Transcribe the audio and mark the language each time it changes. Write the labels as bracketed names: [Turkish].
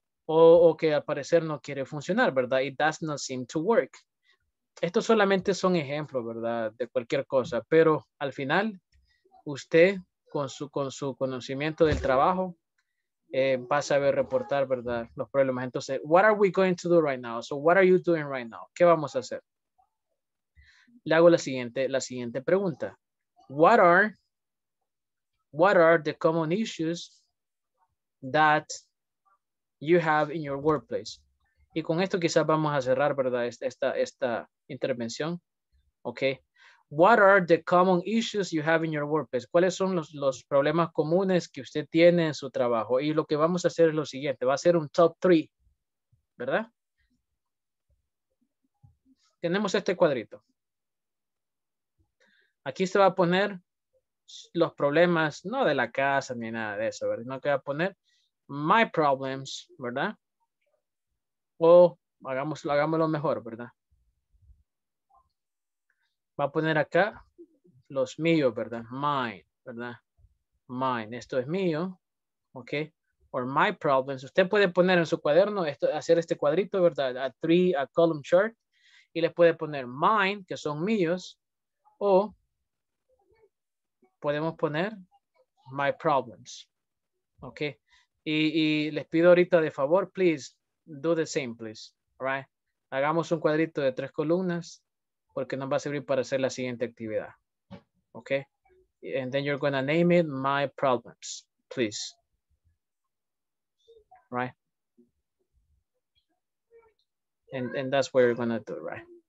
[Spanish] O que al parecer no quiere funcionar, ¿verdad? [English] It does not seem to work. [Spanish] Estos solamente son ejemplos, ¿verdad? De cualquier cosa, pero al final usted con su conocimiento del trabajo va a saber reportar, ¿verdad? Los problemas. [English] Entonces, what are we going to do right now? So, what are you doing right now? [Spanish] ¿Qué vamos a hacer? Le hago la siguiente pregunta. [English] What are the common issues that you have in your workplace? [Spanish] Y con esto quizás vamos a cerrar, ¿verdad? Esta intervención. Ok. [English] What are the common issues you have in your workplace? [Spanish] ¿Cuáles son los problemas comunes que usted tiene en su trabajo? Y lo que vamos a hacer es lo siguiente. Va a ser un top three, ¿verdad? Tenemos este cuadrito. Aquí se va a poner los problemas, no de la casa ni nada de eso, ¿verdad? No, que va a poner my problems, ¿verdad? O hagámoslo mejor, ¿verdad? Va a poner acá los míos, ¿verdad? Mine, ¿verdad? Mine, esto es mío, ¿ok? [English] Or my problems. [Spanish] Usted puede poner en su cuaderno, hacer este cuadrito, ¿verdad? [English] A column chart. [Spanish] Y le puede poner mine, que son míos. O podemos poner my problems, ¿ok? Y les pido ahorita de favor, [English] please, do the same, please, right? [Spanish] Hagamos un cuadrito de tres columnas, porque nos va a servir para hacer la siguiente actividad. Ok. [English] And then you're going to name it my problems, please. Right. And that's what you're going to do, right?